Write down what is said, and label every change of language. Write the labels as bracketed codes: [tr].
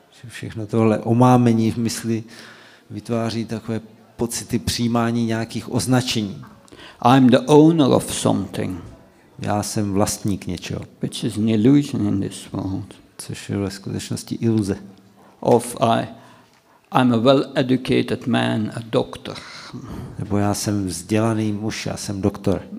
[cs] Všechno tohle omámení v mysli vytváří takové pocity přijímání nějakých označení. [en] I'm the owner of something. [cs] Já jsem vlastník něčeho. [en] Which is an illusion in this world. [cs] Což je ve skutečnosti iluze. [en] Of I'm a well-educated man, a doctor. [cs] Nebo já jsem vzdělaný muž, já jsem doktor.